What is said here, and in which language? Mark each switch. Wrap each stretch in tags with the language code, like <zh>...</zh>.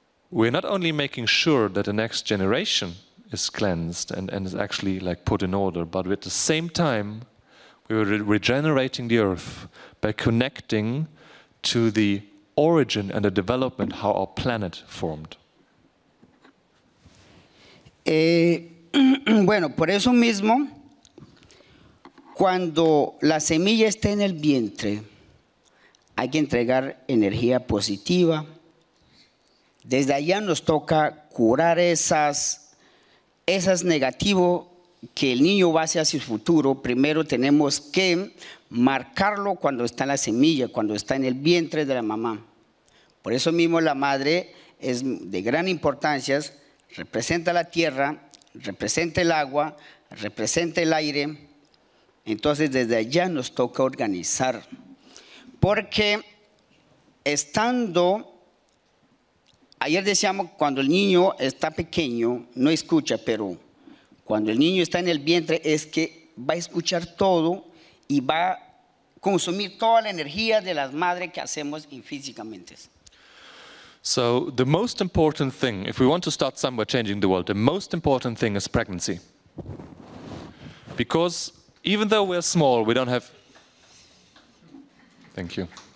<en>We're not only making sure that the next generation is cleansed and is actually like put in order, but at the same time, we are regenerating the earth by connecting to the origin and the development how our planet formed.</en> <es>Bueno, por eso mismo, cuando la semilla está en el vientre, hay que entregar energía positiva. Desde allá nos toca curar esas negativas que el niño va hacia su futuro. Primero tenemos que marcarlo cuando está en la semilla, cuando está en el vientre de la mamá. Por eso mismo la madre es de gran importancia, representa la tierra, representa el agua, representa el aire. Entonces desde allá nos toca organizar, porque estando, ayer decíamos, cuando el niño está pequeño no escucha, pero cuando el niño está en el vientre es que va a escuchar todo y va a consumir toda la energía de las madres que hacemos físicamente.</es> <en>So the most important thing, if we want to start somewhere changing the world, the most important thing is pregnancy. Because even though we're small, we don't have... Thank you.</en>